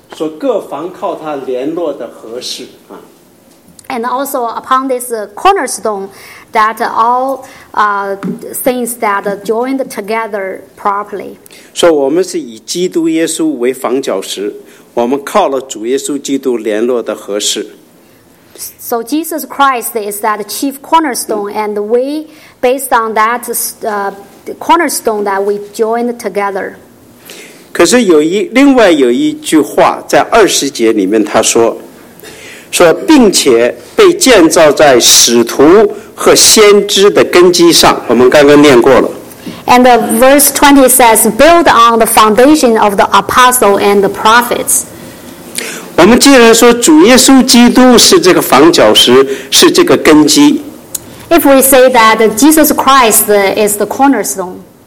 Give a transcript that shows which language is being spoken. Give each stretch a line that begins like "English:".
Chinese: 可是呢，这里又有一个我们需要思想的，在这一节经节，说各房靠它联络的合适啊。
English: And also upon this cornerstone, that all things that joined together properly. So we are using Christ Jesus as a foundation. We are relying on Christ Jesus to connect the right. So Jesus Christ is that chief cornerstone, and we, based on that cornerstone, that we joined together.
Chinese: 可是有一另外有一句话在二十节里面他说。说，并且被建造在使徒和先知的根基上。我们刚刚念过了。
English: And verse 20 says, "Build on the foundation of the apostle and the prophets."
Chinese: 我们既然说主耶稣基督是这个房角石，是这个根基。
English: If we say that Jesus Christ is the cornerstone,